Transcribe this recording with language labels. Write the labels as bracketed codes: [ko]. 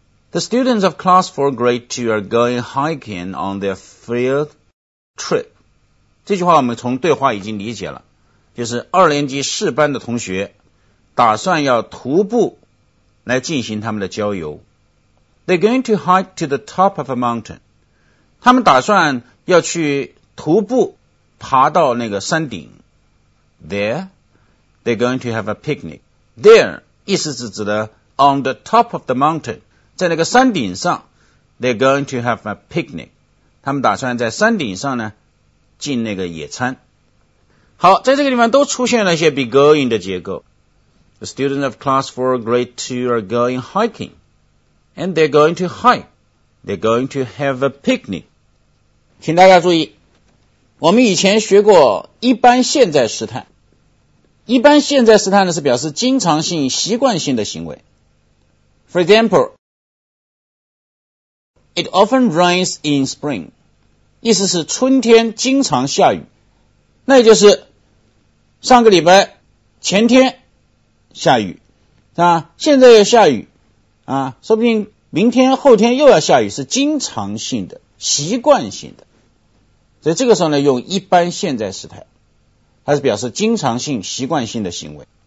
[en] The students of class 4 grade 2 are going hiking on their field trip. [zh] 这句话我们从对话已经理解了，就是二年级四班的同学打算要徒步来进行他们的郊游。 [en] They're going to hike to the top of a mountain. [zh] 他们打算要去徒步爬到那个山顶。 [en] There, they're going to have a picnic. There, [zh] 意思是指的 [en] on the top of the mountain, [zh] 在那个山顶上 [en] they're going to have a picnic. [zh] 他们打算在山顶上呢进那个野餐。好，在这个地方都出现了一些 be going 的结构。 [en] The students of class 4 grade 2 are going hiking, and they're going to hike. They're going to have a picnic. [zh] 请大家注意，我们以前学过一般现在时态。一般现在时态呢是表示经常性、习惯性的行为。 [en] For example, it often rains in spring. [zh] 意思是春天经常下雨。那也就是上个礼拜前天下雨，是吧？现在又下雨，啊，说不定明天、后天又要下雨，是经常性的、习惯性的。所以这个时候呢，用一般现在时态，它是表示经常性、习惯性的行为。